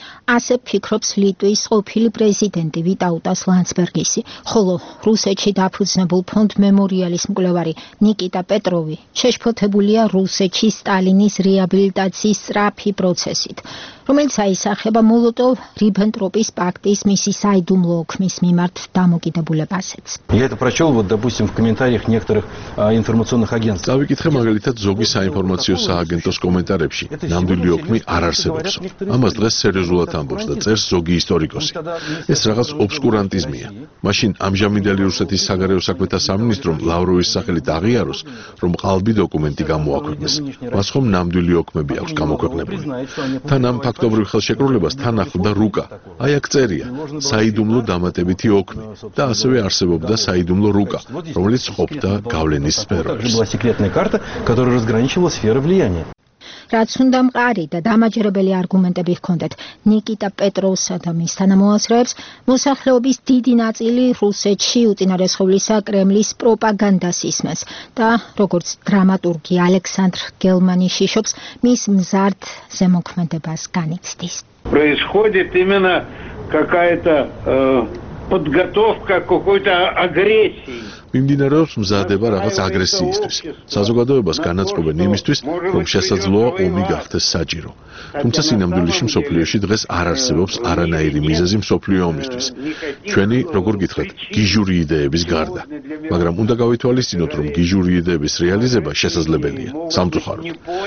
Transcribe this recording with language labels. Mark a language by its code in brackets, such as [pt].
[ka] ასე ფიქრობს ლიტვის ყოფილი პრეზიდენტი ვიტაუტას ლანდსბერგისი, ხოლო რუსეთში დაფუძნებულ ფონდ მემორიალის მკვლევარი ნიკიტა პეტროვი შეშფოთებულია რუსეთში სტალინის რეაბილიტაციის სწრაფი პროცესით, რომელიც აისახება მოლოტოვ-რიბენტროპის პაქტის მისი საიდუმლო ოქმის მიმართ დამოკიდებულებასაც. [ru] Я это прочёл вот, допустим, в комментариях некоторых информационных агентств. [ka] Завикითხე მაგალითად ზოგი საინფორმაციო სააგენტოს კომენტარებში. ნამდვილი ოქმი არ არსებობს. ამას დღეს სერიოზულად ამბობს და წერს ზოგი ისტორიკოსი. ეს რაღაც ობსკურანტიზმია. მაშინ ამჟამინდელი რუსეთის საგარეო საქმეთა სამინისტრომ ლავროვის სახელით აღიაროს, რომ ყალბი დოკუმენტი გამოაქვეყნეს. მას ხომ ნამდვილი ოქმები აქვს გამოქვეყნებული. თანამ ფაქტობრივ ხელშეკრულებას თან ახლდა რუკა. აი აქ წერია: საიდუმლო დამატებითი ოქმი და ასევე არსებობდა საიდუმლო რუკა, რომელიც ყოფდა გავლენის სფეროს. რაც უნდა მყარი და დამაჯერებელი არგუმენტები ჰქონდეთ ნიკიტა პეტროვსა და მის თანამოაზრეებს, მოსახლეობის დიდი ნაწილი რუსეთში უწინარესხევლისა კრემლის პროპაგანდას ისმენს და, როგორც დრამატურგი ალექსანდრ გელმანი შიშობს, მის მზარდ ზემოქმედებას განიცდის. [ru] Происходит именно какая-то подготовка к какой-то агрессии. [ka] მიმდინარეობს მზადება რაღაც აგრესიისთვის. საზოგადოებას განაწყობენ იმისთვის, რომ შესაძლოა ომი გახდეს საჭირო. თუმცა სინამდვილეში მსოფლიოში დღეს არ არსებობს არანაირი მიზეზი მსოფლიო ომისთვის. ჩვენი, როგორ გითხრათ, გიჟური იდეების გარდა. მაგრამ უნდა გავითვალისწინოთ, რომ გიჟური იდეების რეალიზება შესაძლებელია სამწუხაროდ.